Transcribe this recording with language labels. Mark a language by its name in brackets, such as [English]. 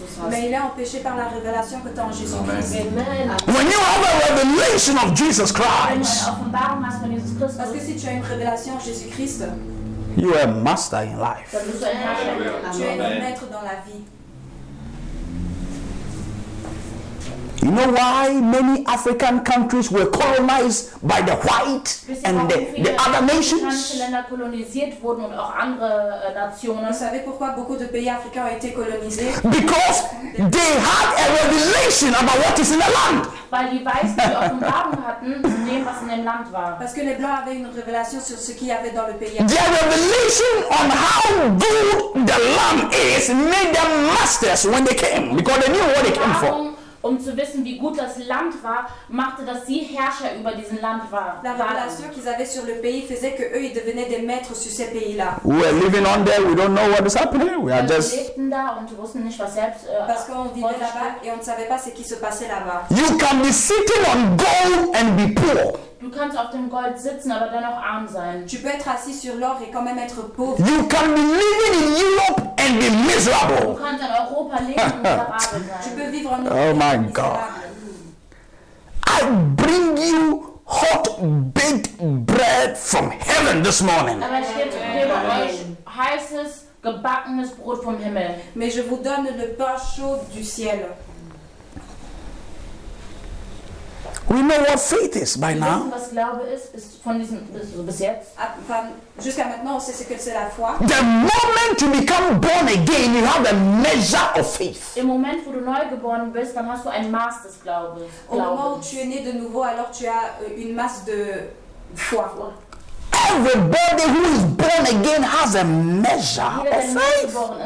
[French] Mais il est empêché par la révélation que tu as en Jésus Christ. [English] When you have a revelation of Jesus Christ, [French] parce que si tu as une révélation en Jésus Christ, [English] you are a master in life. [French] Tu es un maître dans la vie. [English] You know why many African countries were colonized by the white and the other nations? [French] Vous savez pourquoi beaucoup de pays africains ont été colonisés? [English] Because they had a revelation about what is in the land. [German] Weil die Weißen die Offenbarung hatten, was in dem Land war. [French] Parce que les Blancs avaient une révélation sur ce qu'il y avait dans le pays. [English] Their revelation on how good the land is made them masters when they came, because they knew what they came for. [German] Um zu wissen, wie gut das Land war, machte, dass sie Herrscher über diesen Land waren. [French] La révélation qu'ils avaient sur le pays faisait que eux, ils devenaient des maîtres sur ces pays-là. [English] We are living on there, we don't know what is happening. We are just. [German] Wir lebten da und wussten nicht, was selbst. [French] Parce qu'on vivait là-bas et on ne savait pas ce qui se passait là-bas. [English] You can be sitting on gold and be poor. [German] Du kannst auf dem Gold sitzen, aber dennoch arm sein. [French] Tu peux être assis sur l'or et quand même être pauvre. [English] You can be living in Europe and be miserable. [German] Du kannst in Europa leben und miserabel sein. [French] Tu peux vivre en [English] Europe. Oh my God. I bring you hot baked bread from heaven this morning. [German] Aber ich gebe euch heißes gebackenes Brot vom Himmel. [French] Mais je vous donne le pain chaud du ciel. [English] We know what faith is by now. The moment you become born again, you have a measure of faith. [German] Im Moment, wo du neu geboren bist, dann hast du ein Maß des Glaubens. [French] Au moment où tu es né de nouveau, alors tu as une masse de foi. [English] Everybody who is born again has a measure of faith.